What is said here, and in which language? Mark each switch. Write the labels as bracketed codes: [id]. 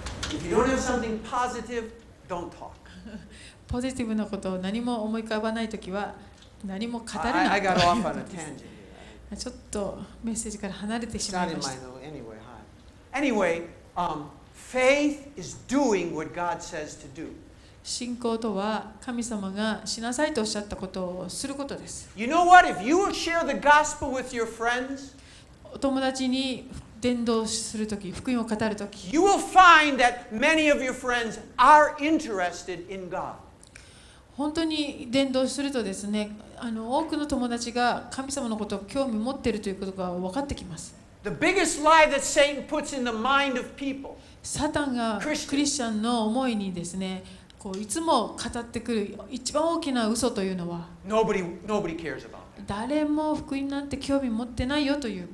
[en] If you don't have something positive, don't talk. [ja] ポジティブなことを何も思い浮かばないときは何も語らない [en] 。 I got off on a tangent. [ja] ちょっとメッセージから離れてしまいました。 [en] It's not in my note. Anyway, faith is doing what God says to do. [ja] 信仰とは神様がしなさいとおっしゃったことをすることです。 [en] You know what? If you will share the gospel with your friends, [ja] お友達に伝道するとき、福音を語るとき、 [en] You will find that many of your friends are interested in God. [ja] 本当に伝道するとですね、あの多くの友達が神様のことを興味持っているということが分かってきます。 [en] The biggest lie that Satan puts in the mind of people. [ja] サタンがクリスチャンの思いにですね、こういつも語ってくる一番大きな嘘というのは、 [en] Nobody cares about. [ja] 誰も福音なんて興味持ってないよという